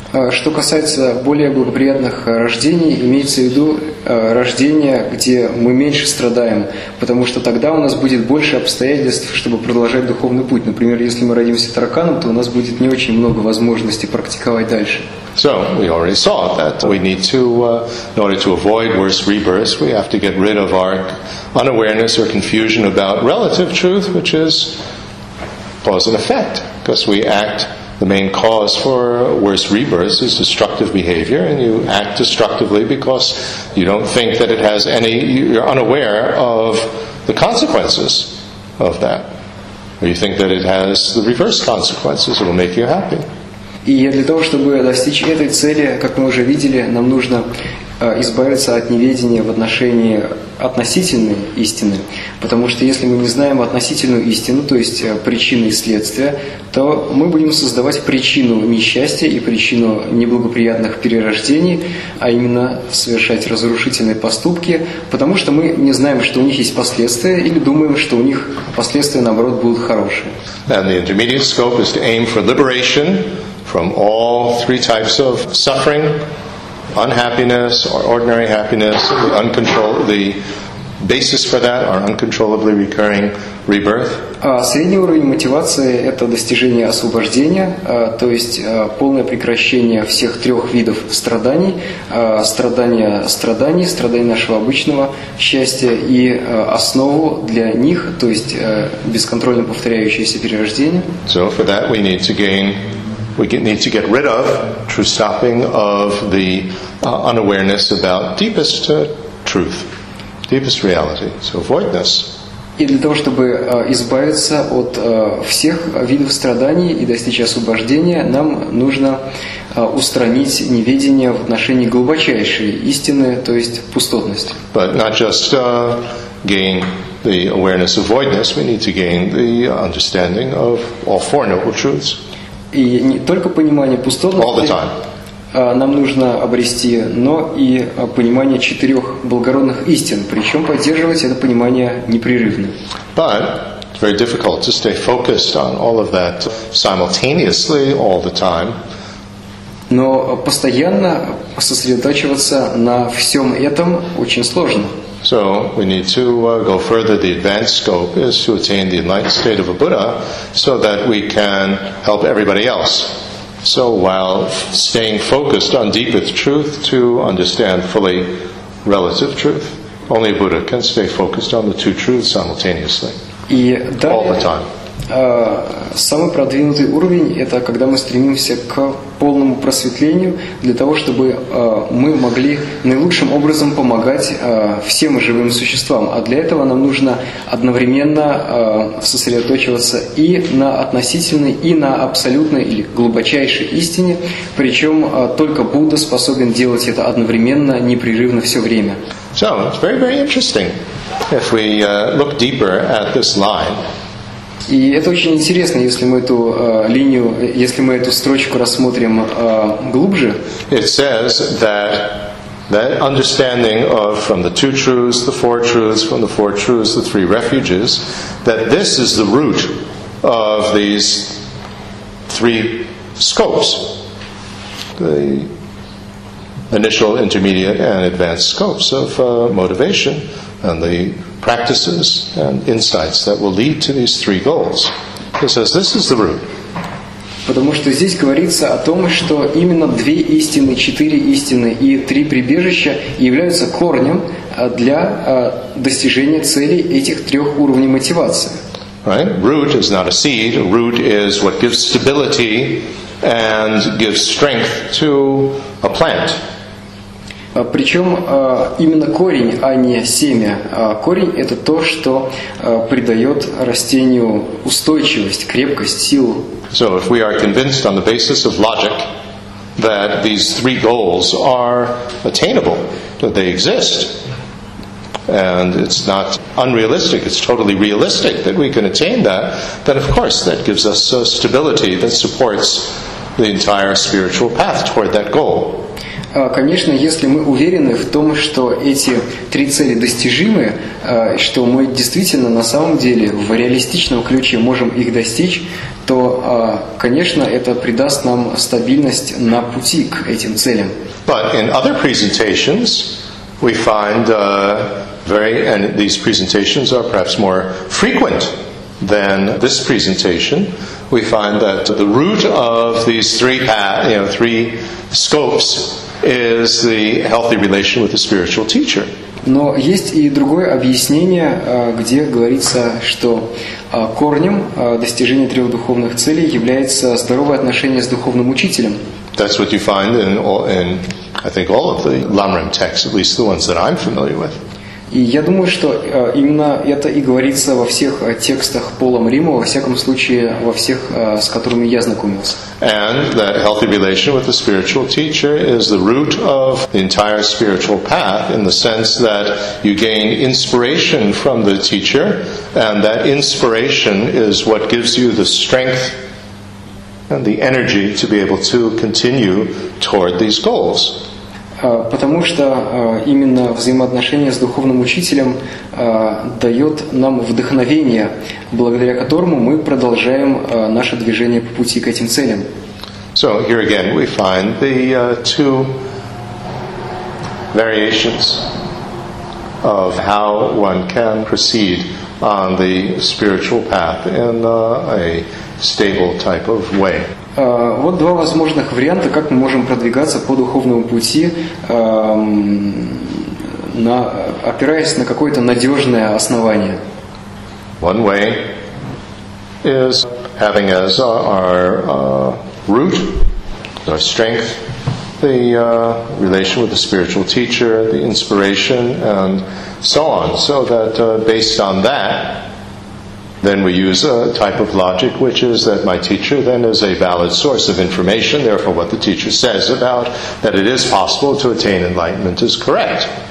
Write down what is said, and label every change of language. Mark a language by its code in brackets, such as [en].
[ru] Что касается более благоприятных рождений, имеется в виду рождения, где мы меньше страдаем, потому что тогда у нас будет больше обстоятельств, чтобы продолжать духовный путь. Например, если мы родимся тараканом, то у нас будет не очень много возможностей практиковать дальше. [en] So, we already saw that we need to, in order to avoid worse rebirths, we have to get rid of our unawareness or confusion about relative truth, which is cause and effect, because we act. The main cause for worse rebirths is destructive behavior, and you act destructively because you don't think that it has any, you're unaware of the consequences of that. Or you think that it has the reverse consequences, it will make you happy. [ru] И для того, чтобы достичь этой цели, как мы уже видели, нам нужно избавиться от неведения в отношении относительной истины. Потому что если мы не знаем относительную истину, то есть причины и следствия, то мы будем создавать причину несчастья и причину неблагоприятных перерождений, а именно совершать разрушительные поступки, потому что мы не знаем, что у них есть последствия, или думаем, что у них последствия, наоборот, будут хорошие. [en] And the intermediate scope is to aim for liberation from all three types of suffering, unhappiness or ordinary happiness, the basis for that, our uncontrollably recurring rebirth. [ru] Средний уровень мотивации – это достижение освобождения, то есть полное прекращение всех трех видов страданий, страданий нашего обычного счастья и основу для них, то есть бесконтрольно повторяющееся перерождение. [en] So for that we need to gain, we need to get rid of, through stopping of the unawareness about deepest truth, deepest reality, so voidness. [ru] И для того, чтобы избавиться от всех видов страданий и достичь освобождения, нам нужно устранить неведение в отношении глубочайшей истины, то есть пустотности. [en] But not just gain the awareness of voidness, we need to gain the understanding of all four noble truths. [ru] И не только понимание пустотности. [en] All the time. [ru] Нам нужно обрести, но и понимание четырех благородных истин, причем поддерживать это понимание непрерывно. [en] But it's very difficult to stay focused on all of that simultaneously all the time. [ru] Но постоянно сосредотачиваться на всем этом очень сложно. [en] So we need to go further. The advanced scope is to attain the enlightened state of a Buddha, so that we can help everybody else. So while staying focused on deepest truth to understand fully relative truth, only a Buddha can stay focused on the two truths simultaneously, all the time. [ru] Самый продвинутый уровень – это когда мы стремимся к полному просветлению для того, чтобы мы могли наилучшим образом помогать всем живым существам. А для этого нам нужно одновременно сосредоточиваться и на относительной, и на абсолютной или глубочайшей истине. Причем только Будда способен делать это одновременно, непрерывно, все время. [en] So, it's very, very interesting if we look deeper at this line. [ru] И это очень интересно, если мы эту линию, если мы эту строчку рассмотрим глубже. [en] It says that that understanding of from the two truths, the four truths, from the four truths, the three refuges, that this is the root of these three scopes, the initial, intermediate, and advanced scopes of motivation and the practices and insights that will lead to these three goals. He says this is the root. [ru] Потому что здесь говорится о том, что именно две истины, четыре истины и три прибежища являются корнем для достижения целей этих трех уровней мотивации. [en] Right? Root is not a seed. Root is what gives stability and gives strength to a plant. [ru] Причем именно корень, а не семя. Корень – это то, что придает растению устойчивость, крепкость, силу. [en] So if we are convinced on the basis of logic that these three goals are attainable, that they exist, and it's not unrealistic, it's totally realistic that we can attain that, then of course that gives us a stability that supports the entire spiritual path toward that goal. [ru] Конечно, если мы уверены в том, что эти три цели достижимы, что мы действительно на самом деле в реалистичном ключе можем их достичь, то, конечно, это придаст нам стабильность на пути к этим целям. [en] But in other presentations, we find very, and these presentations are perhaps more frequent than this presentation, we find that the root of these three paths, you know, three scopes is the healthy relation with the spiritual teacher. [ru] Но есть и другое объяснение, где говорится, что корнем достижения трех духовных целей является здоровое отношение с духовным учителем. [en] That's what you find in I think all of the Lamrim texts, at least the ones that I'm familiar with. [ru] И я думаю, что именно это и говорится во всех текстах Пола Мрима, во всяком случае, во всех, с которыми я знакомился. [en] And that healthy relation with the spiritual teacher is the root of the entire spiritual path, in the sense that you gain inspiration from the teacher, and that inspiration is what gives you the strength and the energy to be able to continue toward these goals. [ru] Потому что именно взаимоотношение с духовным учителем дает нам вдохновение, благодаря которому мы продолжаем наше движение по пути к этим целям. [en] So here again we find the two variations of how one can proceed on the spiritual path in a stable type of way. [ru] Вот два возможных варианта, как мы можем продвигаться по духовному пути, опираясь на какое-то надежное основание. [en] One way is having as our root, our strength, the relation with the spiritual teacher, the inspiration, and so on. So that based on that, then we use a type of logic, which is that my teacher then is a valid source of information, therefore what the teacher says about that it is possible to attain enlightenment is correct.